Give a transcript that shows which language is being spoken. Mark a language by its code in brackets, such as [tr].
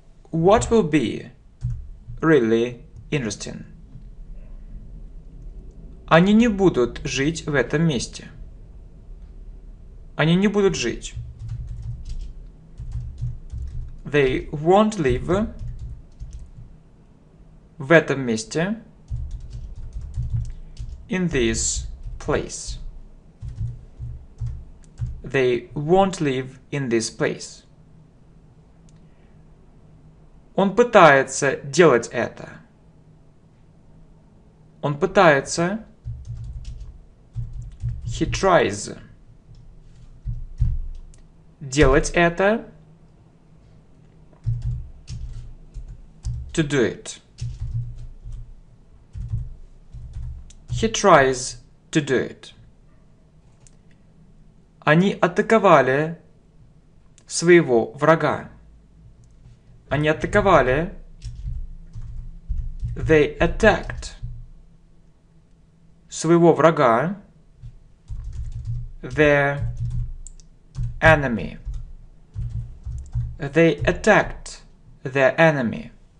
[en] What will be really interesting? [ru] Они не будут жить в этом месте. Они не будут жить. [en] They won't live [ru] в этом месте, [en] in this place. They won't live in this place. [ru] Он пытается делать это. Он пытается. [en] He tries. [ru] Делать это. [en] To do it. He tries to do it. [ru] Они атаковали своего врага. Они атаковали. [en] They attacked [ru] своего врага. [en] Their enemy. They attacked their enemy.